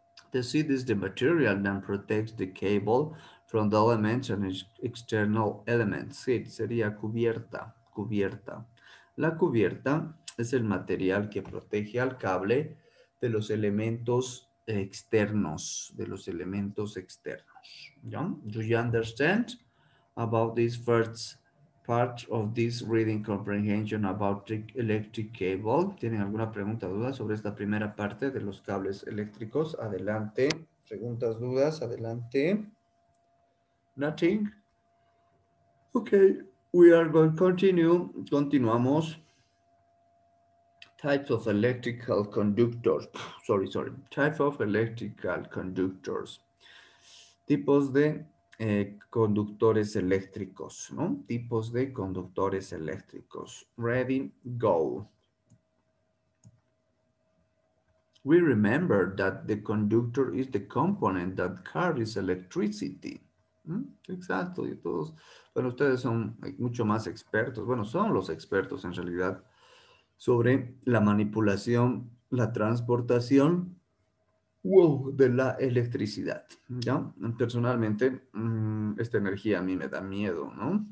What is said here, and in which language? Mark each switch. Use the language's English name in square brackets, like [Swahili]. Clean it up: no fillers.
[English] The seat is the material that protects the cable from the elements and external elements. [Spanish] Seat sería cubierta, cubierta. La cubierta es el material que protege al cable de los elementos externos, de los elementos externos. ¿Ya? [English] Do you understand about this first part of this reading comprehension about the electric cable? [Spanish] ¿Tienen alguna pregunta o duda sobre esta primera parte de los cables eléctricos? Adelante. Preguntas, dudas, adelante. Nothing. [English] Okay, we are going to continue. [Spanish] Continuamos. [English] Types of electrical conductors. Types of electrical conductors. [Spanish] Tipos de conductores eléctricos, ¿no? Tipos de conductores eléctricos. [English] Ready, go. We remember that the conductor is the component that carries electricity. [Spanish] Exacto, y todos, bueno, ustedes son mucho más expertos, bueno, son los expertos en realidad sobre la manipulación, la transportación, wow, de la electricidad, ¿ya? Personalmente, esta energía a mí me da miedo, ¿no?